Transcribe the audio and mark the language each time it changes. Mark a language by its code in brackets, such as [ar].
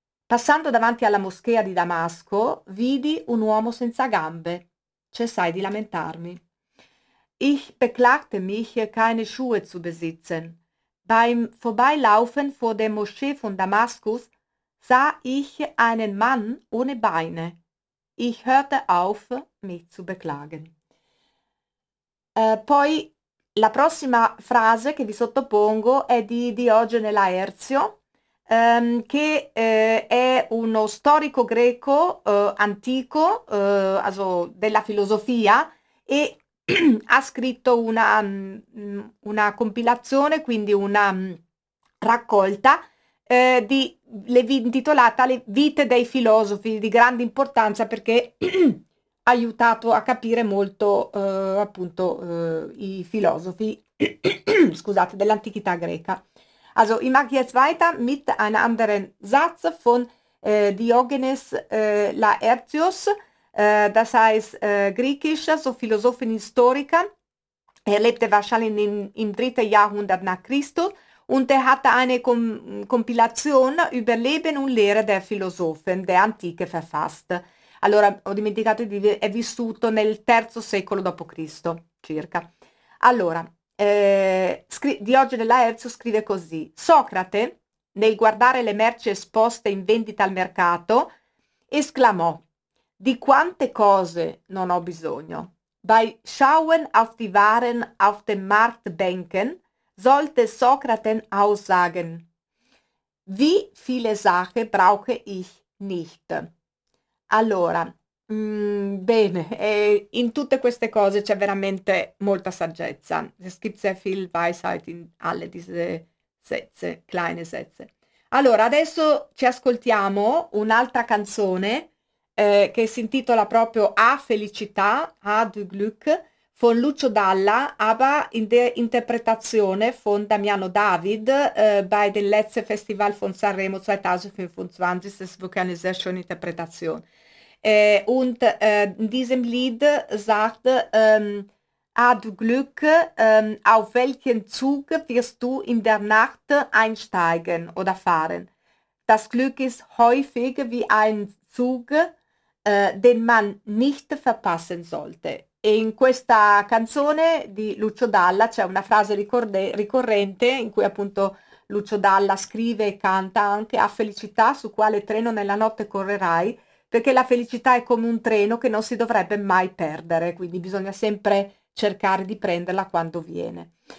[it] Passando davanti alla moschea di Damasco, vidi un uomo senza gambe. Cessai di lamentarmi. [de] Ich beklagte mich, keine Schuhe zu besitzen. Beim Vorbeilaufen vor der Moschee von Damaskus sah ich einen Mann ohne Beine. Ich hörte auf, mich zu beklagen. [it] Poi la prossima frase che vi sottopongo è di Diogene Laerzio, che è uno storico greco antico, also della filosofia, e ha scritto una compilazione, quindi una raccolta, intitolata Le vite dei filosofi, di grande importanza perché ha aiutato a capire molto appunto i filosofi scusate, dell'antichità greca. [de] Also, ich mache jetzt weiter mit einem anderen Satz von Diogenes Laertios, das heißt griechisch, also Philosophin Historiker. Er lebte wahrscheinlich im 3. Jahrhundert nach Christus und er hatte eine Kompilation über Leben und Lehre der Philosophen der Antike verfasst. [it] Allora, ho dimenticato di dire, è vissuto nel 3. secolo d.C. circa. Allora, Diogene Laerzio scrive così: Socrate, nel guardare le merci esposte in vendita al mercato, esclamò: di quante cose non ho bisogno. [de] Bei schauen auf die Waren auf den Marktbänken sollte Socrate aussagen: wie viele Sachen brauche ich nicht. [it] Allora, bene, in tutte queste cose c'è veramente molta saggezza. [de] Es gibt sehr viel Weisheit in alle diese Sätze, kleine Sätze. [it] Allora, adesso ci ascoltiamo un'altra canzone che si intitola proprio A Felicità, [de] A du Glück, von Lucio Dalla, aber in der Interpretation von Damiano David bei dem letzten Festival von Sanremo 2025. Das ist wirklich eine sehr schöne Interpretation. Und in diesem Lied sagt du Glück, auf welchen Zug wirst du in der Nacht einsteigen oder fahren? Das Glück ist häufig wie ein Zug, den man nicht verpassen sollte. [it] E in questa canzone di Lucio Dalla c'è una frase ricorrente in cui appunto Lucio Dalla scrive e canta anche: a felicità, su quale treno nella notte correrai? Perché la felicità è come un treno che non si dovrebbe mai perdere, quindi bisogna sempre cercare di prenderla quando viene.